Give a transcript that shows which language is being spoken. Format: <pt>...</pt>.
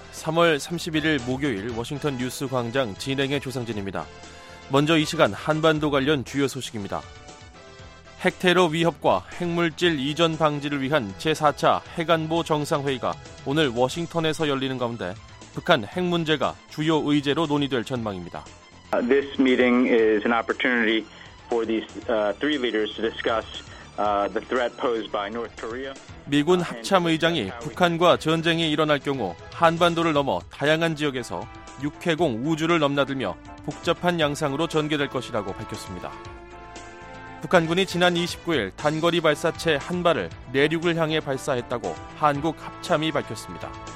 <ko>3월 31일 목요일 워싱턴 뉴스 광장 진행의 조상진입니다. 먼저 이 시간 한반도 관련 주요 소식입니다. 핵테러 위협과 핵물질 이전 방지를 위한 제4차 핵안보 정상회의가 오늘 워싱턴에서 열리는 가운데 북한 핵 문제가 주요 의제로 논의될 전망입니다.</ko> <en>This meeting is an opportunity for these three leaders to discuss the threat posed by North Korea.</en> <ko>미군 합참 의장이 북한과 전쟁이 일어날 경우 한반도를 넘어 다양한 지역에서 육해공 우주를 넘나들며 복잡한 양상으로 전개될 것이라고 밝혔습니다. 북한군이 지난 29일 단거리 발사체 한 발을 내륙을 향해 발사했다고 한국 합참이 밝혔습니다.</ko>